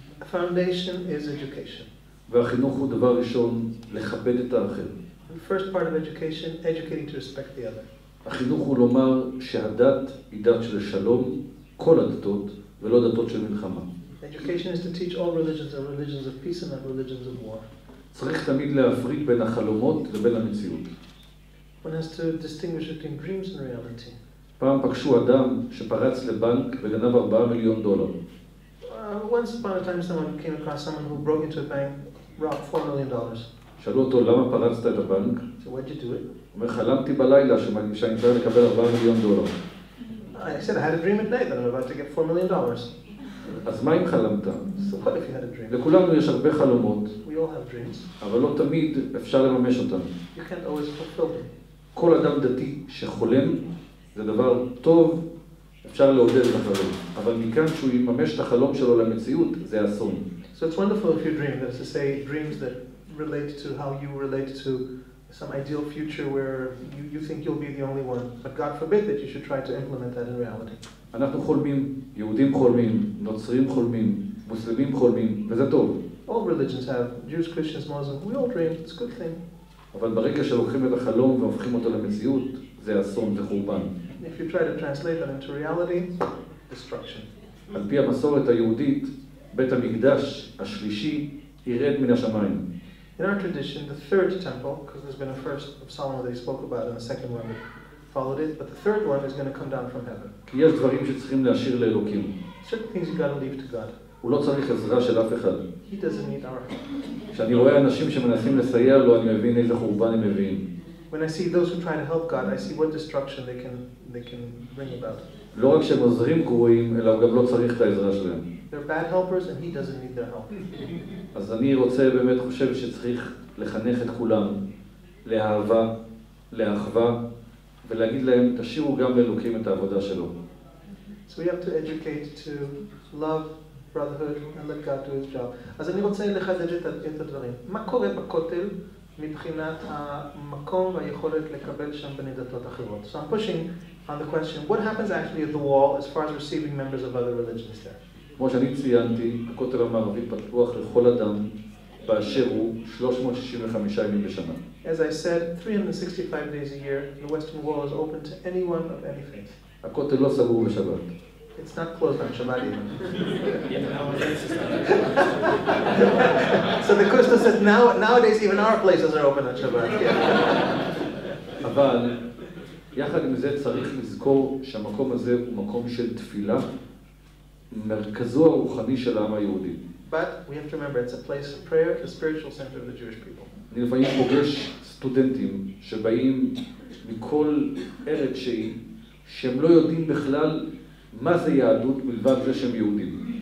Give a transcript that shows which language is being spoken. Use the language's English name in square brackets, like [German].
[English] Foundation is education. [Hebrew] והחינוך הוא דבר ראשון, לכבד את האחר. [English] The first part of education, educating to respect the other. [Hebrew] החינוך הוא לומר שהדת היא דת של שלום, כל הדתות, ולא דתות של מלחמה. [English] Education is to teach all religions, the religions of peace and the religions of war. [Hebrew] צריך תמיד להפריד בין החלומות לבין המציאות. [English] One has to distinguish between dreams and reality. [Hebrew] פעם פגשו אדם שפרץ לבנק וגנב 4 מיליון דולר. [English] Once upon a time someone came across someone who broke into a bank, robbed $4 million. [Hebrew] שאלו אותו, למה פרצת את הבנק? [English] So why'd you do it? [Hebrew] אומר, חלמתי בלילה שאני צריך לקבל 4 מיליון דולר. [English] I said, I had a dream at night that I'm about to get $4 million. [Hebrew] אז מה אם חלמת? [English] So what if you had a dream? [Hebrew] לכולנו יש הרבה חלומות. [English] We all have dreams. [Hebrew] אבל לא תמיד אפשר לממש אותם. [English] You can't always fulfill them. [Hebrew] כל אדם דתי שחולם זה דבר טוב, אפשר לעודד את החלום, אבל מכאן שהוא יממש את החלום שלו למציאות, זה אסון. [English] So it's wonderful if you dream, that's to say dreams that relate to how you relate to some ideal future where you think you'll be the only one, but God forbid that you should try to implement that in reality. [Hebrew] אנחנו חולמים, יהודים חולמים, נוצרים חולמים, מוסלמים חולמים, וזה טוב. [English] All religions have, Jews, Christians, Muslims, we all dream, it's a good thing. [Hebrew] אבל ברגע שלוקחים את החלום והופכים אותו למציאות, זה אסון, זה חורבן. [English] If you try to translate that into reality, destruction. [Hebrew] על פי המסורת היהודית, בית המקדש השלישי ירד מן השמיים. [English] In our tradition, the third temple, because there's been a first of Solomon that he spoke about and the second one followed it, but the third one is going to come down from heaven. [Hebrew] כי יש דברים שצריכים להשאיר לאלוקים. [English] Certain things you've got to leave to God. [Hebrew] הוא לא צריך עזרה של אף אחד. [English] He doesn't need our help. [Hebrew] כשאני רואה אנשים שמנסים לסייע לו, אני מבין איזה חורבן הם מביאים. [English] When I see those who try to help God, I see what destruction they can bring about. [Hebrew] לא רק שהם עוזרים גרועים, אלא גם לא צריך את העזרה שלהם. [English] They're bad helpers and he doesn't need their help. [Hebrew] אז אני רוצה באמת חושב שצריך לחנך את כולם לאהבה, לאחווה, ולהגיד להם, תשאירו גם לאלוקים את העבודה שלו. [English] So we have to educate to love, brotherhood, and let God do his job. [Hebrew] אז אני רוצה לחדד את הדברים. מה קורה בכותל? מבחינת המקום והיכולת לקבל שם בני דתות אחרות. [English] So I'm pushing on the question, what happens actually at the wall as far as receiving members of other religions there? [Hebrew] כמו שאני ציינתי, הכותל המערבי פתוח לכל אדם באשר הוא 365 ימים בשנה. [English] As I said, 365 days a year, the Western Wall is open to anyone of any faith. [Hebrew] הכותל לא סגור בשבת. [English] It's not closed on Shabbat even. Yeah, but nowadays it's not. So the Custos says nowadays even our places are open on Shabbat. [Hebrew] אבל יחד עם זה צריך לזכור שהמקום הזה הוא מקום של תפילה, מרכזו הרוחני של העם היהודי. [English] But we have to remember it's a place of prayer, the spiritual center of the Jewish people. [Hebrew] אני לפעמים פוגש סטודנטים שבאים מכל ארץ שהיא, שהם לא יודעים בכלל מה זה יהדות מלבד זה שהם יהודים.